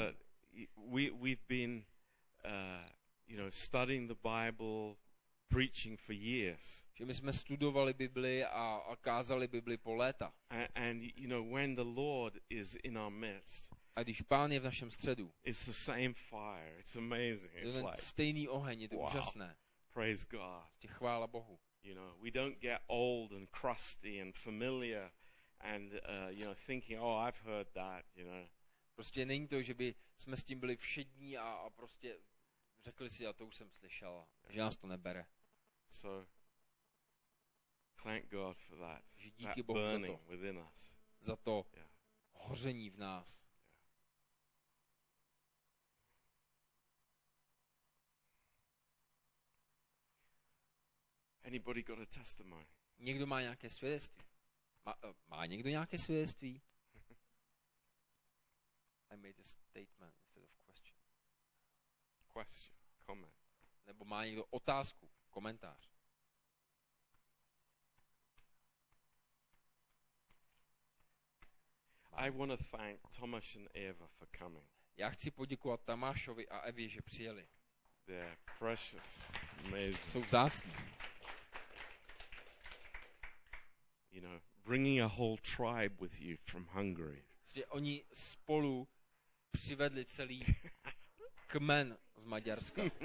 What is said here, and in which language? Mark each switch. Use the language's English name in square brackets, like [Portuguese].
[English] That we've been you know, studying the Bible, preaching for years. [Czech] Že my jsme studovali Bibli a kázali Bibli po léta. [English] And you know, when the Lord is in our midst. [Czech] A když Pán je v našem středu. [English] It's the same fire. It's amazing. It's like [Czech] stejný oheň, je to úžasné. [English] Praise God. [Czech] Tě chvála Bohu. [English] You know, we don't get old and crusty and familiar and you know, thinking, oh, I've heard that, you know. [Czech] Prostě není to, že by jsme s tím byli všední a prostě řekli si, a to už jsem slyšel, že nás to nebere. [English] So thank God for that. [Czech] Že díky Bohu za to. [English] Within us. [Czech] Za to hoření v nás. [English] Anybody got a testimony? [Czech] Někdo má nějaké svědectví? Má někdo nějaké svědectví? [English] I made a statement instead of question. Question, comment. [Czech] Nebo má někdo otázku, komentář? [English] I want to thank Tomáš and Eva for coming. [Czech] Já chci poděkovat Tomášovi a Evě, že přijeli. [English] They're precious, amazing. [Czech] Jsou vzácní. [English] You know, bringing a whole tribe with you from Hungary. [Czech] Oni spolu přivedli celý kmen z Maďarska.